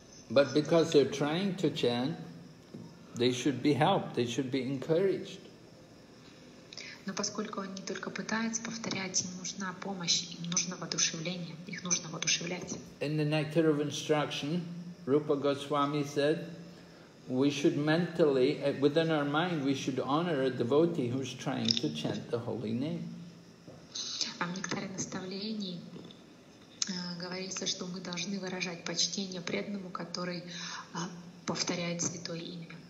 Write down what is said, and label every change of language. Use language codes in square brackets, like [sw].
[en] But because they're trying to chant, they should be helped, they should be encouraged. [ru] Но поскольку они только пытаются повторять, им нужна помощь, им нужно воодушевление, их нужно воодушевлять. [en] In the Nectar of Instruction, Rupa Goswami said, we should mentally, within our mind, we should honor a devotee who's trying to chant the holy name. [ru] А в некоторых наставлениях говорится, что мы должны выражать почтение преданному, который повторяет святое имя.